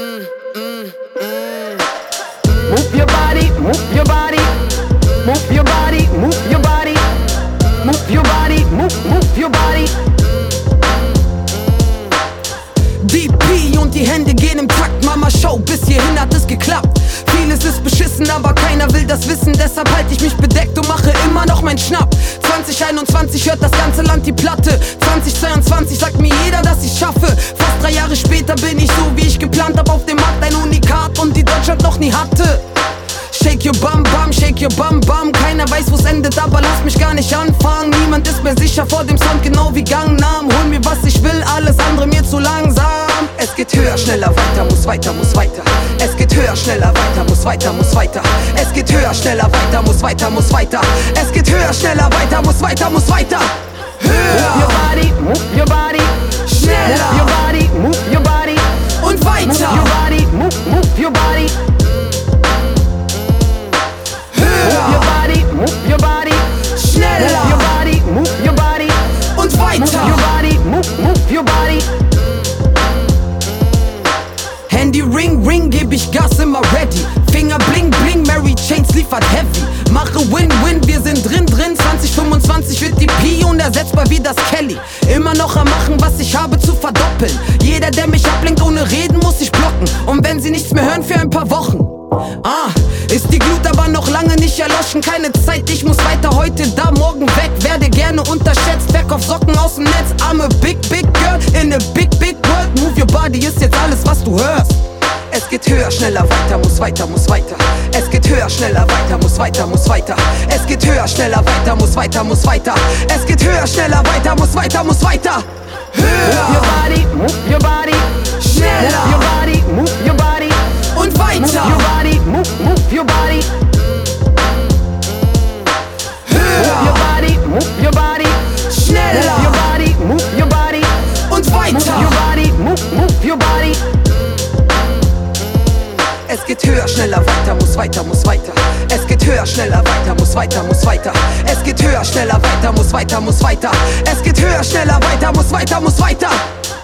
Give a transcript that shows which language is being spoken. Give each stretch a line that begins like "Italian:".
English: Move your body, move your body. Move your body, move your body. Move your body, move your body.
German: DP und die Hände gehen im Takt. Mama, schau, bis hierhin hat es geklappt. Vieles ist beschissen, aber keiner will das wissen. Deshalb halte ich mich bedeckt und mache immer noch meinen Schnapp. 2021 hört das ganze Land die Platte. 2022 sagt mir jeder, dass ich schaffe. Fast 3 Jahre später bin ich so, wie ich geplant hab. Auf dem Markt ein Unikat und die Deutschland noch nie hatte.
English: Shake your bum bum,
German: shake your bum bum. Keiner weiß, wo's endet, aber lass mich gar nicht anfangen. Niemand ist mehr sicher vor dem Sound, genau wie Gangnam. Hol mir, was ich will, alles andere mir zu langsam. Es geht höher, schneller, weiter, muss weiter, muss weiter. Es geht höher, schneller, weiter, muss weiter, muss weiter. Es geht höher, schneller, weiter, muss weiter, muss weiter. Es geht höher, schneller, weiter, muss weiter, muss weiter. Höher!
English: Move your body, move your body.
German: Schneller!
English: Move your body, move your body.
German: Und weiter!
English: Move your body, move your body. Move your body,
German: schneller.
English: Move your body, move your body.
German: Und weiter.
English: Move your body, move your body.
German: Handy ring ring, geb ich Gas, immer ready. Finger bling bling, Mary Chains liefert heavy. Mache win win, wir sind drin drin. 2025 wird die P unersetzbar wie das Kelly. Immer noch am Machen, was ich habe zu verdoppeln. Jeder, der mich ablenkt ohne reden, muss ich blocken. Und wenn sie nichts mehr hören für ein paar Wochen. Ah, ist die Glut aber noch lange nicht erloschen. Keine Zeit, ich muss weiter heute da, morgen weg. Werde gerne unterschätzt, back auf Socken aus dem Netz.
English: I'm a big, big girl in a big, big world. Move your body
German: ist jetzt alles, was du hörst. Es geht höher, schneller, weiter, muss weiter, muss weiter. Es geht höher, schneller, weiter, muss weiter, muss weiter. Es geht höher, schneller, weiter, muss weiter, muss weiter. Es geht höher, schneller, weiter, muss weiter, muss weiter. Höher!
English: Move your body, move your body.
German: Schneller!
English: Move your body, move your body.
German: Und weiter!
English: Move your body, move your body.
German: Höher!
English: Move your body, move your body.
German: Schneller!
English: Move your body, move your body.
German: Und weiter!
English: Move your body, move your body.
German: Es geht höher, schneller, weiter, muss weiter, muss weiter. Es geht höher, schneller, weiter, muss weiter, muss weiter. Es geht höher, schneller, weiter, muss weiter, muss weiter. Es geht höher, schneller, weiter, muss weiter, muss weiter.